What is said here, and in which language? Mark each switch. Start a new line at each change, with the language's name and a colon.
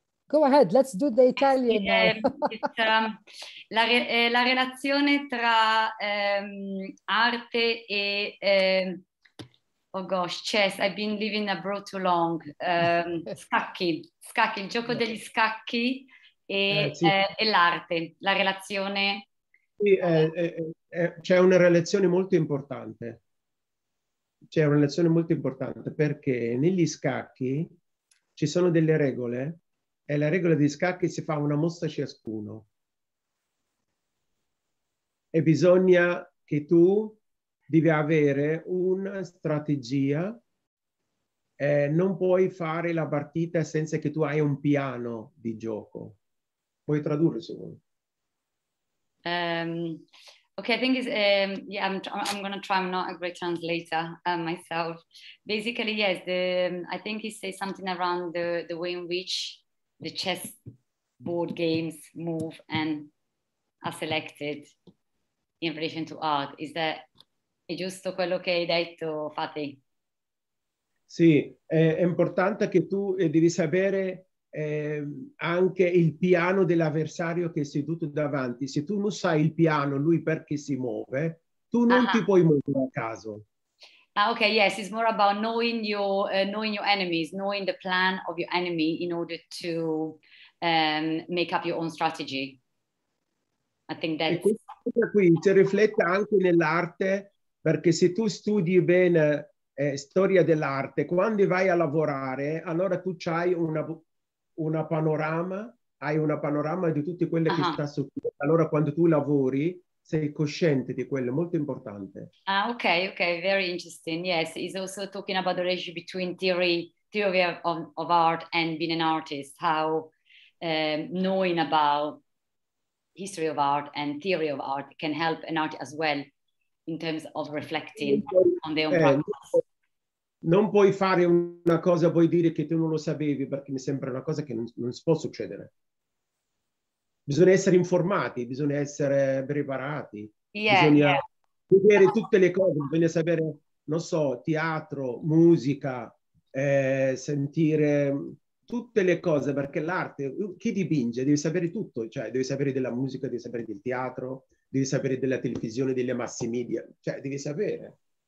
English: Go ahead, let's do the Italian now.
Italian: La relazione tra arte e chess.
English: I've been living abroad too long.
Italian: scacchi, il gioco degli scacchi e l'arte, la relazione. C'è una relazione molto importante. C'è una relazione molto importante perché negli scacchi ci sono delle regole. È la regola di scacchi, si fa una mossa ciascuno. E bisogna che tu devi avere una strategia. Non puoi fare la partita senza che tu hai un piano di gioco. Puoi tradurre se vuoi.
English: Okay, I think it's, I'm going to try. I'm not a great translator myself. Basically, yes, I think he says something around the way in which the chess board games move and are selected in relation to art. Is that
Italian: è giusto quello che hai detto, Fatih? Sì, è importante che tu devi sapere anche il piano dell'avversario che è seduto davanti. Se tu non sai il piano, lui perché si muove, tu non ti puoi muovere a caso.
English: Okay, yes, it's more about knowing your enemies, knowing the plan of your enemy in order to make up your own strategy. I think that.
Italian: Questa cosa qui si riflette anche nell'arte, perché se tu studi bene storia dell'arte, quando vai a lavorare, allora tu c'hai una panorama di tutte quelle che sta succedendo. Allora quando tu lavori, sei cosciente di quello, molto importante.
English: Okay, very interesting. Yes, he's also talking about the relationship between theory of art and being an artist, how knowing about history of art and theory of art can help an artist as well in terms of reflecting on their own practice.
Italian: Non puoi fare una cosa, puoi dire che tu non lo sapevi, perché mi sembra una cosa che non può succedere. Bisogna essere informati, bisogna essere preparati, vedere tutte le cose, bisogna sapere, non so, teatro, musica, sentire tutte le cose, perché l'arte, chi dipinge, devi sapere tutto, cioè devi sapere della musica, devi sapere del teatro, devi sapere della televisione, delle mass media, cioè devi sapere.